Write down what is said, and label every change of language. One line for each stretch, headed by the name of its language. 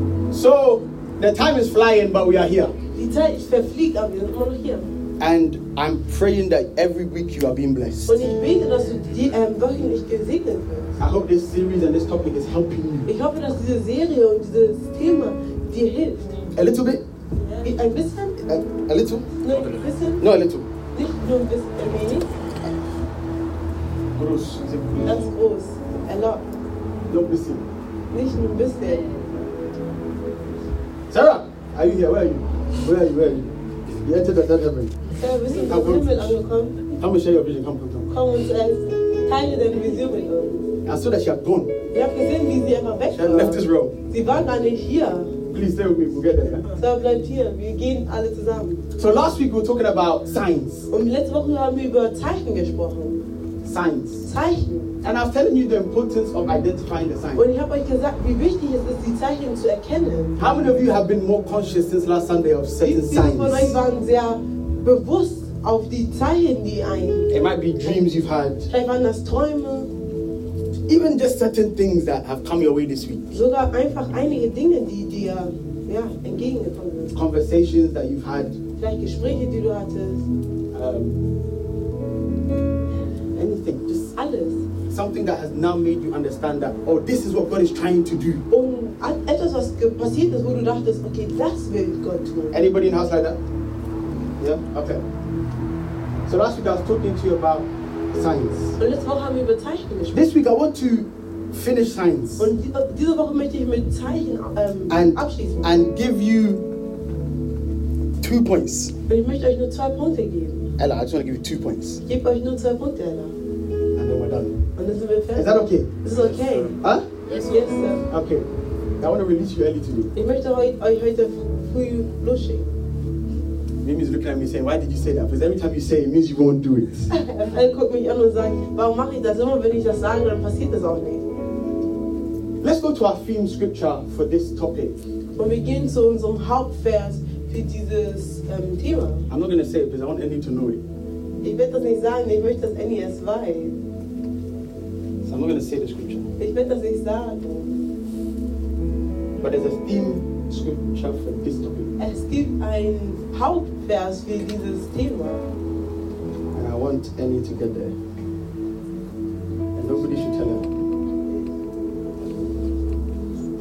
English: So the time is flying, but we are here.
German: Die Zeit verfliegt, aber wir sind immer noch hier.
English: And I'm praying that every week you are being blessed.
German: Und ich bete, dass du wöchentlich gesegnet wirst.
English: I hope this series and this topic is helping you.
German: Ich hoffe, dass diese Serie und dieses Thema dir hilft.
English: A little bit?
German: Yeah. Ein bisschen?
English: A little?
German: No, ein bisschen?
English: No, a little.
German: Nicht nur ein bisschen, ein wenig? Groß. Ganz groß.
English: A lot.
German: No, ein bisschen. Nicht nur ein bisschen.
English: Sarah, are you here? Where are you? You entered the third heaven. Come and share your vision. Come.
German: Teile deine Vision mit uns.
English: I saw that she had gone.
German: Ich habe gesehen, wie sie einfach weg war.
English: She left this room.
German: Sie war gar nicht hier.
English: Please stay with me. We'll get there.
German: So bleibt hier. Wir gehen alle zusammen.
English: So last week we were talking about signs.
German: Und letzte Woche haben wir über Zeichen gesprochen.
English: Signs.
German: Zeichen.
English: And I was telling you the importance of identifying the signs.
German: Und ich habe euch gesagt, wie wichtig es ist, die Zeichen zu erkennen.
English: How many of you have been more conscious since last Sunday of certain signs?
German: Viele von euch waren sehr bewusst auf die Zeichen, die ein.
English: It might be dreams you've had.
German: Vielleicht waren das Träume.
English: even just certain things that have come your way this week.
German: Sogar einfach einige Dinge, die entgegengekommen sind.
English: Conversations that you've had.
German: Vielleicht Gespräche, die du hattest.
English: Anything, just
German: alles.
English: Something that has now made you understand that, oh, this is what God is trying to do.
German: Und etwas, was passiert ist, wo du dachtest, okay, das will Gott tun.
English: Anybody in the house like that? Yeah. Okay. So last week I was talking to you about signs.
German: Und letzte Woche haben wir über Zeichen gesprochen.
English: This week I want to finish signs.
German: Und diese Woche möchte ich mit Zeichen abschließen.
English: And give you 2 points.
German: Und ich möchte euch nur 2 Punkte geben.
English: Ella, I just want to give you 2 points.
German: Ich gebe euch nur 2 Punkte, Ella.
English: And then we're done.
German: Und dann sind wir fertig.
English: Is that okay? This is okay. Huh? Yes, sir. Okay. I want to release you early today.
German: Ich möchte euch heute früh loschen.
English: Mimi's looking at me saying, why did you say that? Because every time you say it, it means you won't do it. Let's go to our theme scripture for this topic. When we begin to
German: unserem Hauptvers für dieses Thema.
English: I'm not going to say it because I want Annie to know it.
German: Ich werde das nicht sagen, ich möchte, dass Annie es weiß.
English: So I'm not going to say the scripture.
German: Ich werde das nicht sagen.
English: But there's a theme scripture for this topic.
German: Es gibt ein Hauptvers für dieses Thema.
English: And I want Annie to get there. And nobody should tell her.